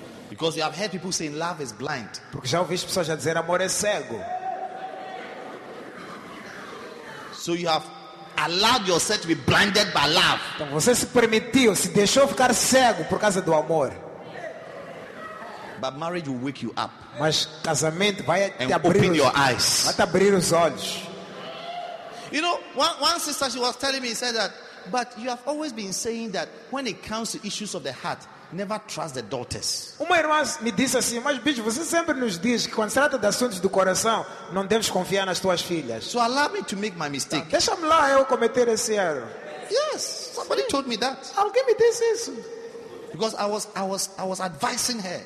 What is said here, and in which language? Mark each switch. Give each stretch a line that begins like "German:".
English: Because you have heard people saying love is blind.
Portuguese: Porque já ouviste pessoas já dizer amor é cego.
English: So you have allowed yourself to be blinded by love.
Portuguese: Então você se permitiu, se deixou ficar cego por causa do amor.
English: But marriage will wake you up.
Portuguese: Mas casamento vai te abrir os olhos. Vai te abrir os olhos.
English: You know, one sister, she was telling me, she said that, but you have always been saying that when it comes to issues of the heart, never trust the daughters.
Portuguese: Uma irmã me disse assim, mas bicho, você sempre nos diz que quando se trata de assuntos do coração, não deves confiar nas tuas filhas.
English: So allow me to make my mistake.
Portuguese: Deixa-me lá eu cometer esse erro.
English: Yes, somebody told me that.
Portuguese: Alguém me disse isso.
English: Because I was advising her.